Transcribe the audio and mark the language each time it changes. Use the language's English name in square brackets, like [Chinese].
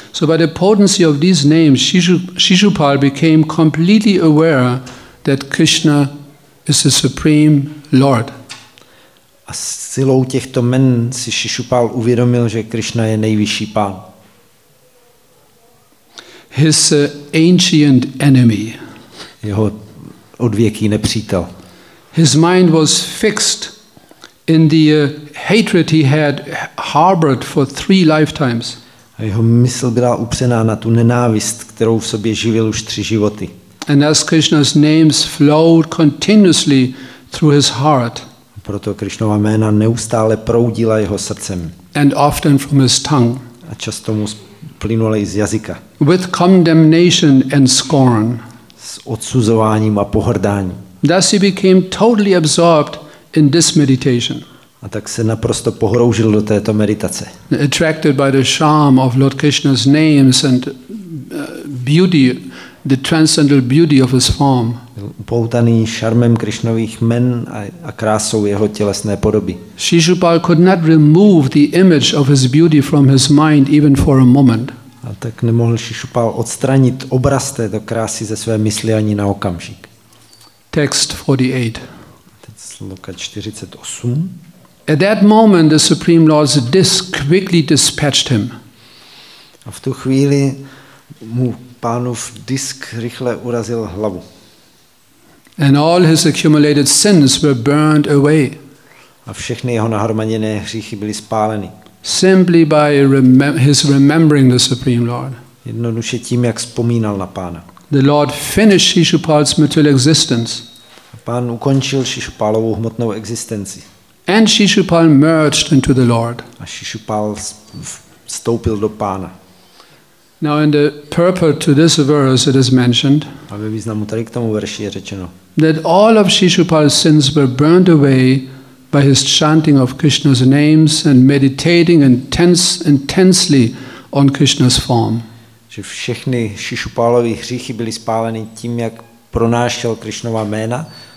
[English] So by the potency of these names, Shishupal became completely aware that Krishna is the supreme Lord. [Czech] A silou těchto jmen si Shishupal uvědomil, že Krishna je nejvyšší pán. [English] His ancient enemy. [Czech] Jeho odvěký nepřítel. [English] His mind was fixed in the hatred he had harbored for three lifetimes. [Czech] A jeho mysl byla upřená na tu nenávist, kterou v sobě živil už tři životy. [English] And as Krishna's names flowed continuously through his heart. [Czech] Proto Krishnova jména neustále proudila jeho srdcem. [English] And often from his tongue. [Czech] A často mu plynula i z jazyka. [English] With condemnation and scorn. [Czech] S odsuzováním a pohrdáním. [English] Thus he became totally absorbed in this meditation. [Czech] A tak se naprosto pohroužil do této meditace. [English] Attracted by the charm of Lord Krishna's names and beauty, the transcendental beauty of his form. [Czech] Byl upoutaný šarmem Krišnových jmen a krásou jeho tělesné podoby. [English] Shishupal could not remove the image of his beauty from his mind even for a moment. [Czech] A tak nemohl Shishupal odstranit obraz této krásy ze své mysli ani na okamžik. [English] Text 48. [Czech] Teď sloka 48. [English] At that moment the Supreme Lord's disc quickly dispatched him. [Czech] A v tu chvíli mu pánův disk rychle urazil hlavu. [English] And all his accumulated sins were burned away. [Czech] A všechny jeho nahromaděné hříchy byly spáleny. [English] Simply by his remembering the Supreme Lord. [Czech] Jednoduše tím, jak vzpomínal na pána. [English] The Lord finished Shishupal's material existence. [Czech] A pán ukončil Shishupalovou hmotnou existenci. [English] And Shishupal merged into the Lord. [Czech] A Shishupal vstoupil do pána. [English] Now in the purport to this verse it is mentioned that all of Shishupal's sins were burned away by his chanting of Krishna's names and meditating intensely on Krishna's form. [Czech] Že všechny Shishupalovy hříchy byly spáleny tím, jak pronášel Krishnova jména,